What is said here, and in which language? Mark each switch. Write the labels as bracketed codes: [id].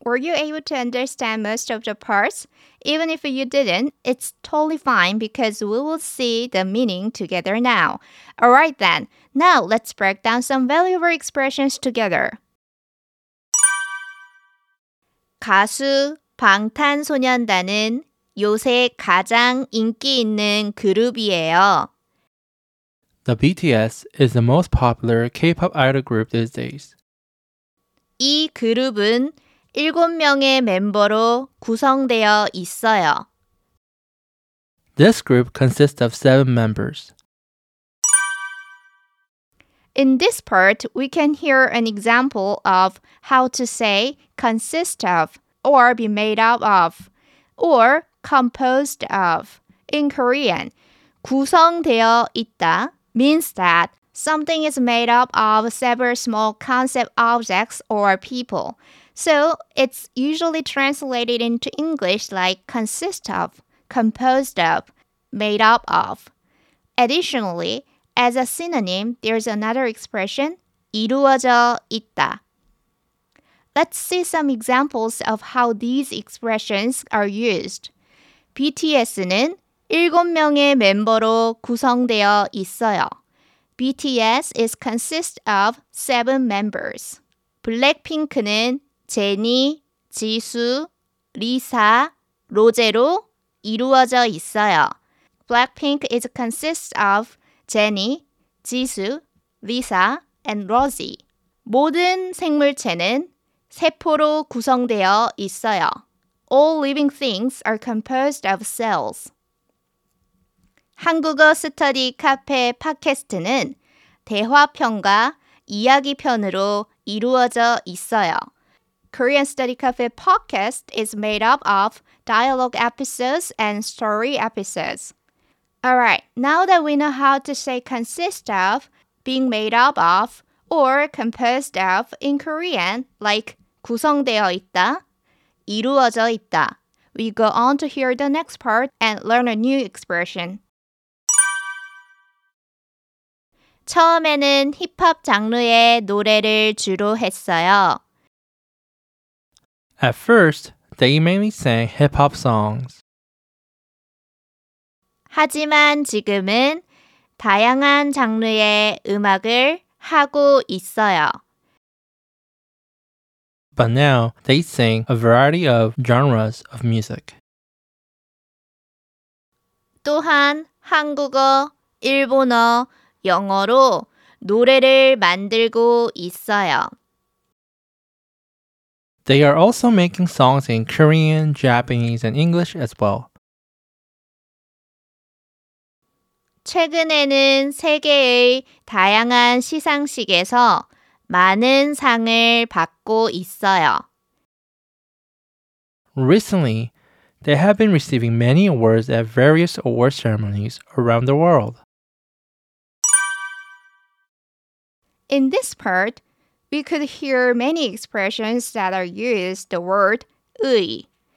[en] Were you able to understand most of the parts? Even if you didn't, it's totally fine because we will see the meaning together now. Alright then, now let's break down some valuable expressions together. [ko] 가수 방탄소년단은 요새 가장 인기 있는 그룹이에요. [en] The BTS is the most popular K-pop idol group these days. [ko] 이 그룹은 7명의 멤버로 구성되어 있어요. [en] This group consists of 7 members. In this part, we can hear an example of how to say consist of or be made up of or composed of. In Korean, [ko] 구성되어 있다 [en] means that something is made up of several small concept objects or people. So, it's usually translated into English like consist of, composed of, made up of. Additionally, as a synonym, there's another expression, [ko] 이루어져 있다. [en] Let's see some examples of how these expressions are used. [ko] BTS는 7명의 멤버로 구성되어 있어요. [en] BTS is consist of 7 members. [ko] 블랙핑크는 제니, 지수, 리사, 로제로 이루어져 있어요. [en] Blackpink is consist of 제니, 지수, 리사, and Rosie. [ko] 모든 생물체는 세포로 구성되어 있어요. [en] All living things are composed of cells. [ko] 한국어 스터디 카페 팟캐스트는 대화편과 이야기편으로 이루어져 있어요. [en] Korean Study Cafe podcast is made up of dialogue episodes and story episodes. Alright, now that we know how to say consist of, being made up of, or composed of in Korean, like [ko] 구성되어 있다, 이루어져 있다, [en] we go on to hear the next part and learn a new expression. [ko] 처음에는 힙합 장르의 노래를 주로 했어요. [en] At first, they mainly sang hip-hop songs. [ko] 하지만 지금은 다양한 장르의 음악을 하고 있어요. [en] But now, they sing a variety of genres of music. [ko] 또한 한국어, 일본어, 영어로 노래를 만들고 있어요. [en] They are also making songs in Korean, Japanese, and English as well. [ko] 최근에는 세계의 다양한 시상식에서 많은 상을 받고 있어요. [en] Recently, they have been receiving many awards at various award ceremonies around the world. In this part, we could hear many expressions that are used the word 의.